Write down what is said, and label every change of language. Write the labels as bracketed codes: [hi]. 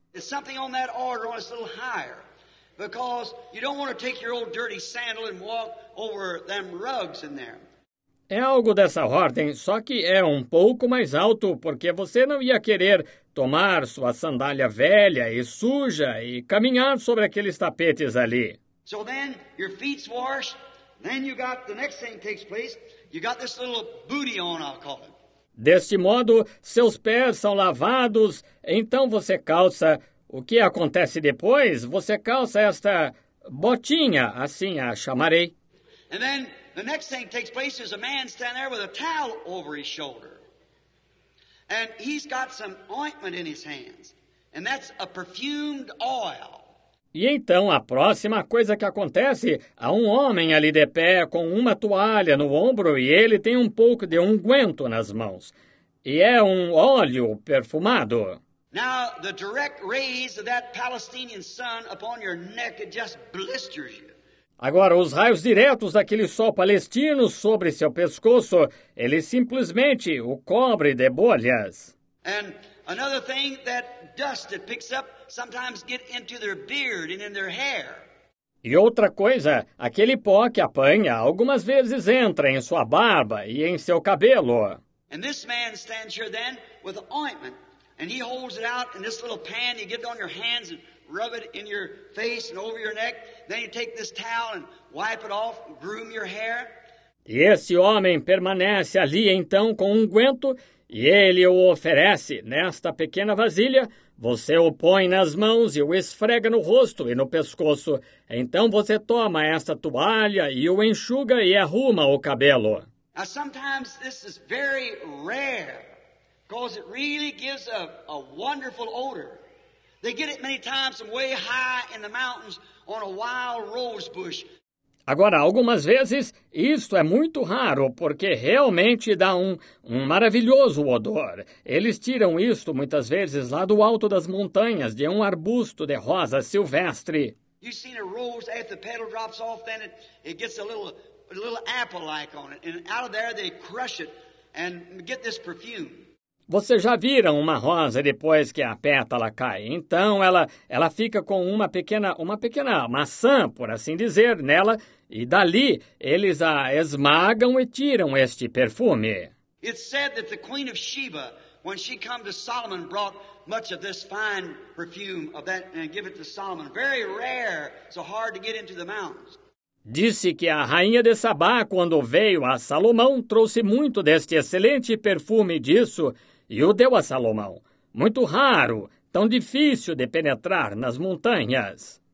[en] It's something on that order, on a little higher, because you don't want to take your old dirty sandal and walk over them rugs in there. [pt] É algo dessa ordem, só que é um pouco mais alto, porque você não ia querer tomar sua sandália velha e suja e caminhar sobre aqueles tapetes ali. [en] So then your feet's washed. Then you got the next thing takes place. You got this little booty on, I'll call it. [pt] Deste modo, seus pés são lavados, então você calça. O que acontece depois? Você calça esta botinha, assim a chamarei. [en] And then the next thing takes place is a man standing there with a towel over his shoulder. And he's got some ointment in his hands. And that's a perfumed oil. [pt] E então, a próxima coisa que acontece, há um homem ali de pé com uma toalha no ombro e ele tem um pouco de unguento nas mãos. E é um óleo perfumado. [en] Now, the direct rays of that Palestinian sun upon your neck, it just blisters you. [pt] Agora, os raios diretos daquele sol palestino sobre seu pescoço, ele simplesmente o cobre de bolhas. [en] And another thing, that dust that picks up, sometimes get into their beard and in their hair. [pt] E outra coisa, aquele pó que apanha algumas vezes entra em sua barba e em seu cabelo. [en] And this man stands here then with ointment, and he holds it out in this little pan. You get it on your hands and rub it in your face and over your neck. Then you take this towel and wipe it off, groom your hair. [pt] E esse homem permanece ali então com um unguento, e ele o oferece nesta pequena vasilha. Você o põe nas mãos e o esfrega no rosto e no pescoço. Então você toma esta toalha e o enxuga e arruma o cabelo. [en] Now, sometimes this is very rare, because it really gives a wonderful odor. They get it many times from way high in the mountains on a wild rose bush. [pt] Agora, algumas vezes, isto é muito raro, porque realmente dá um maravilhoso odor. Eles tiram isto, muitas vezes, lá do alto das montanhas, de um arbusto de rosa silvestre. [en] You've seen a rose, after the petal drops off, then it gets a little apple-like on it. And out of there, they crush it and get this perfume. [pt] Você já viram uma rosa depois que a pétala cai? Então ela fica com uma pequena maçã, por assim dizer, nela, e dali eles a esmagam e tiram este perfume. [en] It said that the Queen of Sheba, when she came to Solomon, brought much of this fine perfume of that and give it to Solomon. Very rare, so hard to get into the mountains. [pt] Disse que a rainha de Sabá, quando veio a Salomão, trouxe muito deste excelente perfume disso e o deu a Salomão. Muito raro, tão difícil de penetrar nas montanhas.